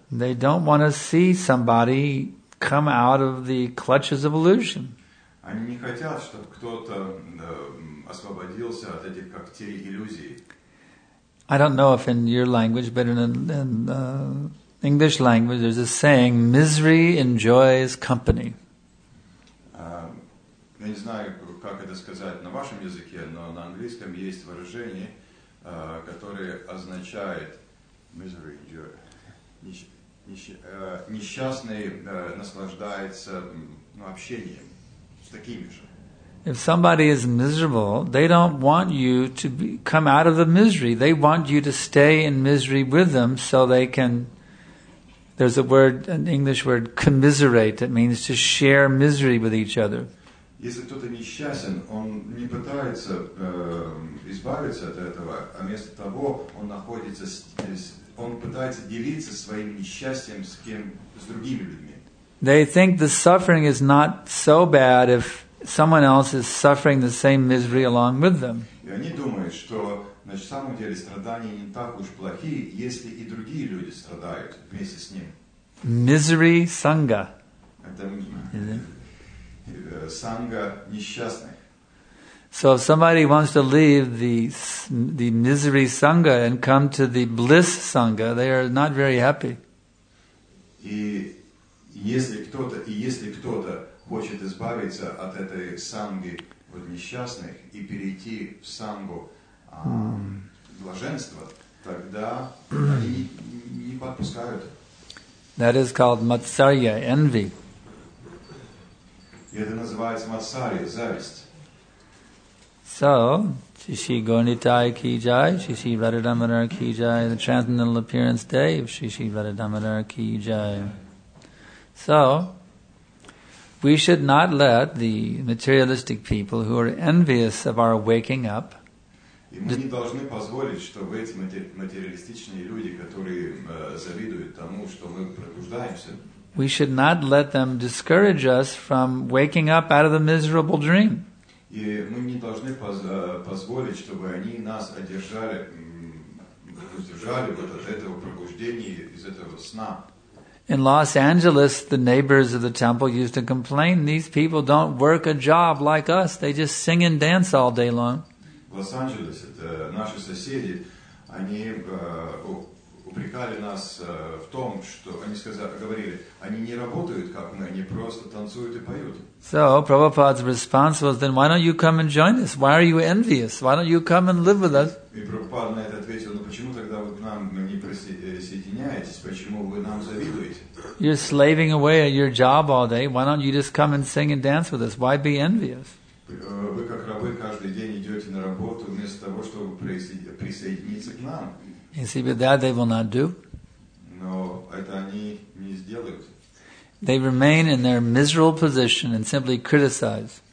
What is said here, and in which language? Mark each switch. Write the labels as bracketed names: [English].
[English] They don't want to see somebody come out of the clutches of illusion. [Russian] Они не хотят, чтобы кто-то освободился от этих когтей иллюзии. [English] I don't know if in your language, but in English language, there's a saying, misery enjoys company. [Russian] Я не знаю, как это сказать на вашем языке, но на английском есть выражение, которое означает [English] misery enjoys. [Russian] Несчастный наслаждается общением с такими же. [English] If somebody is miserable, they don't want you to come out of the misery. They want you to stay in misery with them so they can... There's a word, an English word, commiserate. It means to share misery with each other. [Russian] Если кто-то несчастен, он не пытается избавиться от этого, а вместо того он находится здесь. Он пытается делиться своим несчастьем с другими людьми. [English] They think the suffering is not so bad if someone else is suffering the same misery along with them. [Russian] И они думают, что на самом деле страдания не так уж плохи, если и другие люди страдают вместе с ним. [English] Misery sangha. [Russian] Это санга несчастных. [English] So if somebody wants to leave the misery sangha and come to the bliss sangha, they are not very happy. [Russian] Если кто-то хочет избавиться от этой санги, от несчастных, и перейти в сангу, блаженство, тогда они не подпускают. [English] That is called matsarya, envy. [Russian] Это называется матсарья, зависть. [English] So, Shishi Gornitai Ki Jai, Shishi Radhadamadar Ki Jai, the Transcendental Appearance Day of Shishi Radhadamadar Ki Jai. So, we should not let the materialistic people who are envious of our waking up. [Russian] И мы не должны позволить, чтобы эти материалистичные люди, которые завидуют тому, что мы пробуждаемся, [English] we should not let them discourage us from waking up out of the miserable dream. [Russian] И мы не должны позволить, чтобы они нас одержали, удержали вот от этого пробуждения, из этого сна. [English] In Los Angeles, the neighbors of the temple used to complain, these people don't work a job like us, they just sing and dance all day long. [Russian] В Лос-Анджелесе наши соседи, они упрекали нас в том, что они говорили, они не работают как мы, они просто танцуют и поют. [English] So, Prabhupada's response was, then why don't you come and join us? Why are you envious? Why don't you come and live with us? [Russian] И Прабхупада на это ответил, ну почему тогда вы к нам не присоединяетесь? Почему вы нам завидуете? [English] You're slaving away at your job all day. Why don't you just come and sing and dance with us? Why be envious? [Russian] Вы как рабы каждый день идете на работу вместо того, чтобы присоединиться к нам. [English] You see, but that they will not do. [Russian] Но это они не сделают. [English] They remain in their miserable position and simply criticize.